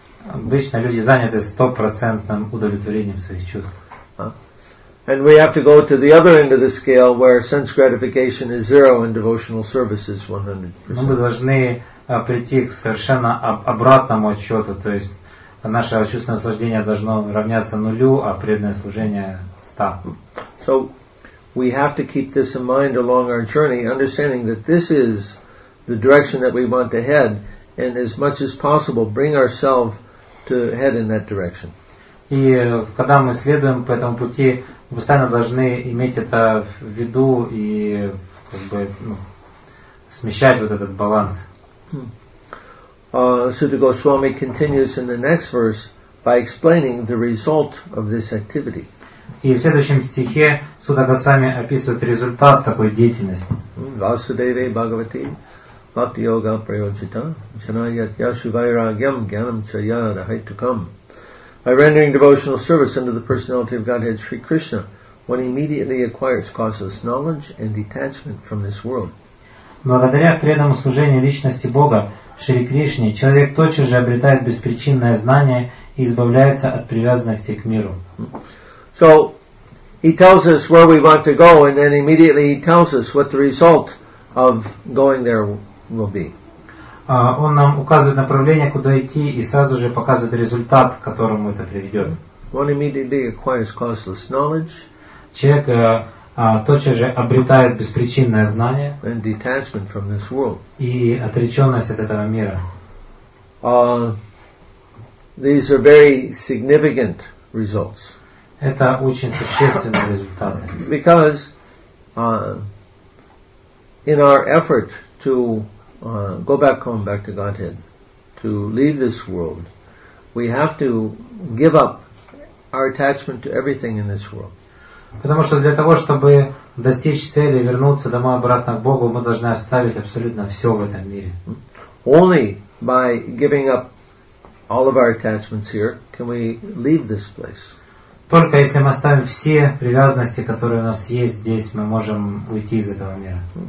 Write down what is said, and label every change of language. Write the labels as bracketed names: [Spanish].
[Russian] Обычно люди заняты 100% удовлетворением своих чувств. [English] And we have to go to the other end of the scale where sense gratification is zero and devotional service is 100%. [Russian] Мы должны прийти к совершенно обратному отчету, то есть наше чувственное наслаждение должно равняться нулю, а преданное служение 100. [English] So we have to keep this in mind along our journey, understanding that this is the direction that we want to head, and as much as possible bring ourselves to head in that direction. [Russian] И когда мы следуем по этому пути, мы постоянно должны иметь это в виду и смещать вот этот баланс. [English] Sutta Goswami continues in the next verse by explaining the result of this activity. [Russian] И в следующем стихе Сута Госвами описывает результат такой деятельности. [Sanskrit] Васудеве Бхагавати Бхакти Йога Прайоджита Чанайят Яшу Вайрагьям Гьянам Чая Рахайтукам. [English] By rendering devotional service under the personality of Godhead Sri Krishna, one immediately acquires causeless knowledge and detachment from this world. [Russian] Благодаря преданному служению личности Бога Шри Кришне, человек тотчас же обретает беспричинное знание и избавляется от привязанности к миру. [English] So he tells us where we want to go, and then immediately he tells us what the result of going there will be. [Russian] Он нам указывает направление, куда идти, и сразу же показывает результат, к которому это приведет. [English] One immediately acquires causeless knowledge. [Russian] Человек тотчас же обретает беспричинное знание. [English] And detachment from this world. [Russian] И отреченность от этого мира. [English] These are very significant results. [Russian] Это очень существенные результаты. [English] Because in our effort to go back home, back to Godhead, to leave this world, we have to give up our attachment to everything in this world. [Russian] Потому что для того, чтобы достичь цели вернуться домой обратно к Богу, мы должны оставить абсолютно все в этом мире. [English] Only by giving up all of our attachments here can we leave this place. [Russian] Только если мы оставим все привязанности, которые у нас есть здесь, мы можем уйти из этого мира.